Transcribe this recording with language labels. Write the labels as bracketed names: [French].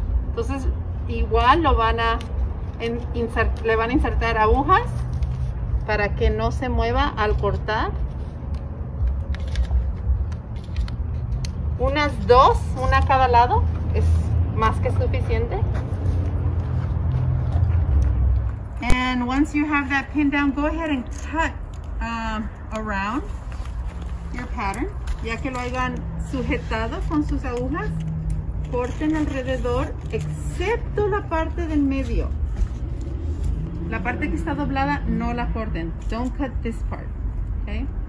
[Spanish] Entonces, igual lo van a insertar agujas para que no se mueva al cortar. Unas dos, una a cada lado, es más que suficiente. [English] And once you have that pinned down, go ahead and cut around your pattern. [Spanish] Ya que lo hayan sujetado con sus agujas, corten alrededor, excepto la parte del medio. La parte que está doblada, no la corten. [English] Don't cut this part, okay?